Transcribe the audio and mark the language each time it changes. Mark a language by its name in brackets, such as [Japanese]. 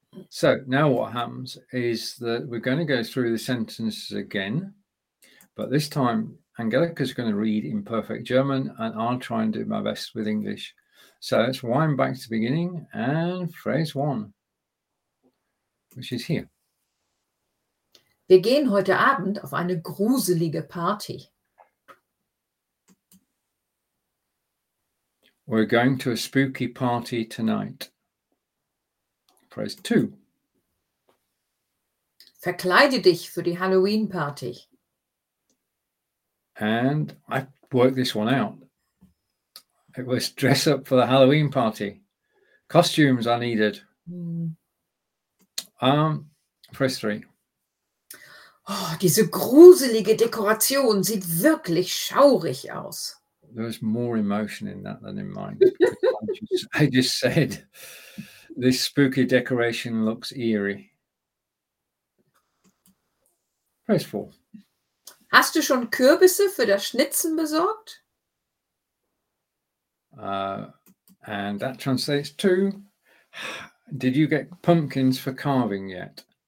[English] So now what happens is that we're going to go through the sentences again, but this time Angelica is going to read in perfect German and I'll try and do my best with English. So let's wind back to the beginning and phrase one, which is here. [German] Wir gehen heute Abend auf eine gruselige Party. [English] We're going to a spooky party tonight. Phrase two. [German] Verkleide dich für die Halloween Party. [English] And I worked this one out. It was dress up for the Halloween party. Costumes are needed. Phrase three. [German] Oh, diese gruselige Dekoration sieht wirklich schaurig aus. [English] There was more emotion in that than in mine. I just said this spooky decoration looks eerie. Phrase four. [German] Hast du schon Kürbisse für das Schnitzen besorgt? [English] And that translates to, did you get pumpkins for carving yet?